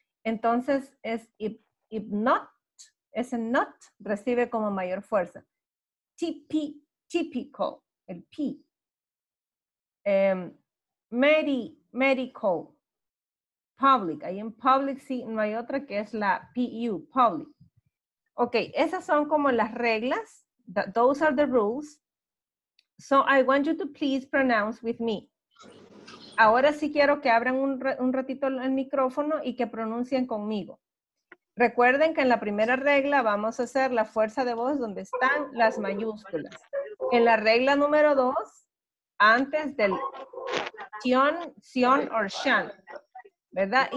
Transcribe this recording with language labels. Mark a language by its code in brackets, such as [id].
[es] Entonces es IP. If not, ese not recibe como mayor fuerza. Typical, el P. Medical, public. Ahí en public sí, no hay otra que es la PU, public. Ok, esas son como las reglas. Those are the rules. [en] So I want you to please pronounce with me. [es] Ahora sí quiero que abran un ratito el micrófono y que pronuncien conmigo. Recuerden que en la primera regla vamos a hacer la fuerza de voz donde están las mayúsculas. En la regla número dos, antes del sion, sion o shan, ¿verdad?